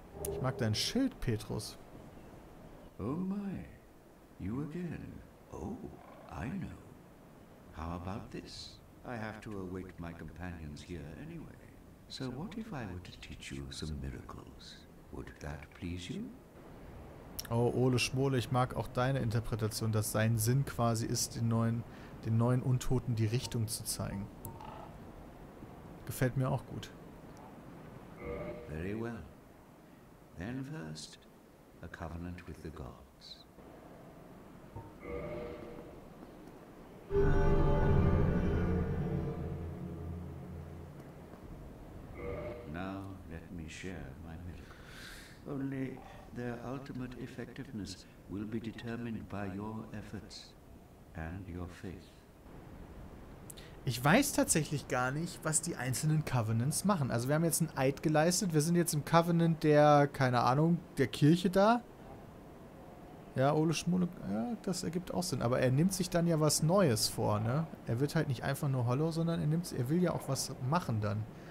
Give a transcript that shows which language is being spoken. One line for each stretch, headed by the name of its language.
German: Ich mag dein Schild, Petrus.
English: Oh my. You again. Oh, I know. How about this? I have to await my companions here anyway. So what if I were to teach you some miracles? Would that please you?
German: Oh, Ole Schmole, ich mag auch deine Interpretation, dass sein Sinn quasi ist, den neuen Untoten die Richtung zu zeigen. Gefällt mir auch gut.
English: Very well. Then first, a covenant with the gods. Now let me share my miracle. Only their ultimate effectiveness will be determined by your efforts and your faith.
German: Ich weiß tatsächlich gar nicht, was die einzelnen Covenants machen. Also wir haben jetzt einen Eid geleistet. Wir sind jetzt im Covenant der, keine Ahnung, der Kirche da. Ja, Ole Schmule, ja, das ergibt auch Sinn. Aber er nimmt sich dann ja was Neues vor, ne? Er wird halt nicht einfach nur Hollow, sondern er will ja auch was machen dann.